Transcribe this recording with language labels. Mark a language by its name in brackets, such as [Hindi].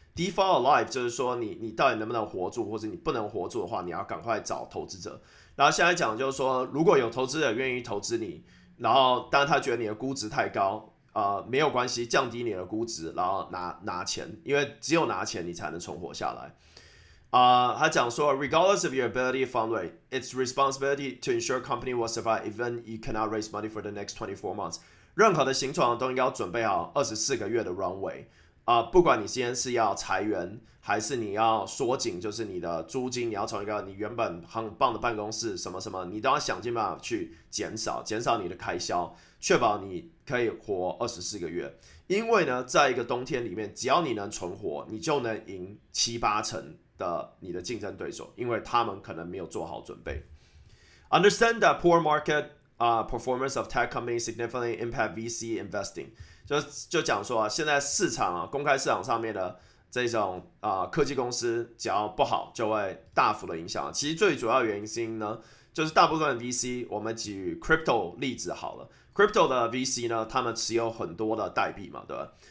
[Chinese] Default alive 就是说你到底能不能活住，或者你不能活住的话，你要赶快找投资者。然后现在讲就是说，如果有投资者愿意投资你，然后但是他觉得你的估值太高，没有关系，降低你的估值，然后拿钱，因为只有拿钱你才能存活下来。他讲说， [English] regardless of your ability to fundraise, it's responsibility to ensure company will survive even you cannot raise money for the next 24 months。 [Chinese] 任何的新创都应该要准备好24个月的 runway。不管你今天是要裁员，还是你要缩紧，就是你的租金，你要从一个你原本很棒的办公室什么什么，你都要想尽办法去减少你的开销，确保你可以活24个月。因为呢，在一个冬天里面，只要你能存活，你就能赢7、8成。的你的竞争对手，因为他们可能没有做好准备。 [English] Understand that poor market performance of tech companies significantly impact VC investing。 [Chinese] 就讲说啊，现在市场啊，公开市场上面的这种科技公司，只要不好，就会大幅的影响。其实最主要原因呢，就是大部分的 VC，我们举 crypto 例子好了。 crypto 的 VC 呢，他们持有很多的代币嘛，对吧？